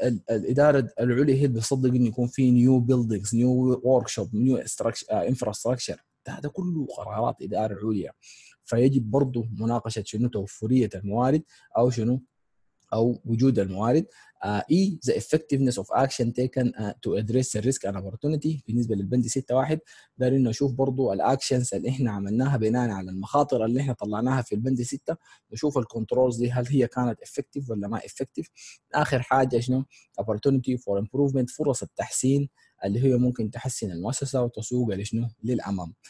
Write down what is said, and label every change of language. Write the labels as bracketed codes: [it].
[ar] الإدارة العليا هي بتصدق إن يكون في [en] new buildings, new workshop, new infrastructure. [ar] هذا كله قرارات إدارة عليا, فيجب برضو مناقشة شنو توفرية الموارد أو شنو أو وجود الموارد. [en] E the effectiveness of action taken to address the risk and opportunity. [ar] بالنسبة للبند 6.1 دارين نشوف برضو الأكشنز اللي إحنا عملناها بناء على المخاطر اللي إحنا طلعناها في البند 6, نشوف الكنترولز دي هل هي كانت effective ولا ما effective. آخر حاجة شنو [en] opportunity for improvement, [ar] فرص التحسين اللي هي ممكن تحسن المؤسسة وتسوق لشنو للأمام.